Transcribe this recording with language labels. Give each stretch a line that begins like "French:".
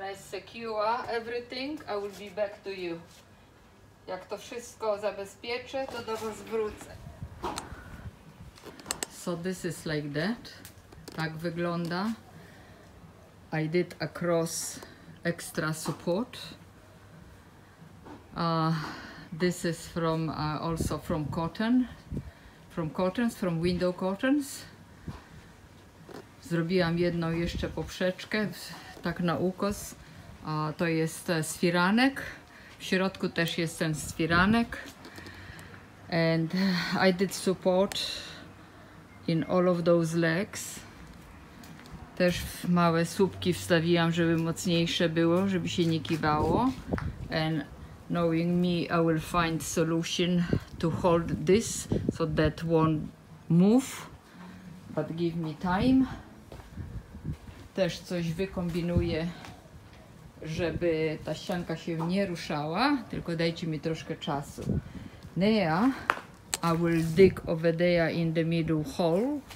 English: secure everything, I will be back to you.
Polish: Jak to wszystko zabezpieczę, to do was wrócę.
English: So this is like that.
Polish: Tak wygląda.
English: I did a cross extra support. This is from also from cotton. From cottons, from window cottons.
Polish: Zrobiłam jedną jeszcze poprzeczkę, tak na ukos. To jest sfiranek. W środku też jest ten sfiranek.
English: And I did support in all of those legs.
Polish: Też w małe słupki wstawiłam, żeby mocniejsze było, żeby się nie kiwało.
English: And knowing me, I will find solution to hold this, so that won't move. But give me time.
Polish: Też coś wykombinuję, żeby ta ścianka się nie ruszała, tylko dajcie mi troszkę czasu.
English: Now, I will dig over there in the middle hole.